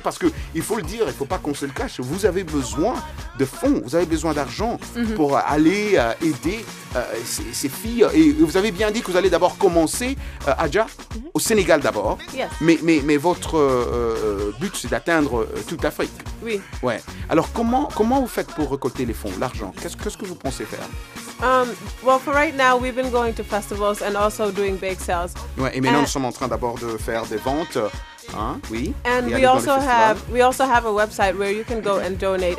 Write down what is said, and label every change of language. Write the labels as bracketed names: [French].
[French] Parce que il faut le dire, il faut pas qu'on se le cache, vous avez besoin de fonds, vous avez besoin d'argent pour aller aider ces filles. Et vous avez bien dit que vous allez d'abord commencer Adja au Sénégal d'abord. Mais votre but, c'est d'atteindre toute l'Afrique. Alors comment vous faites pour récolter les fonds, l'argent? Qu'est-ce que vous pensez faire? [English] For right now, we've been going to festivals and also doing bake sales. [French] Ouais, et maintenant, nous sommes en train d'abord de faire des ventes, hein? Oui. [English] And we also have a website where you can go and donate.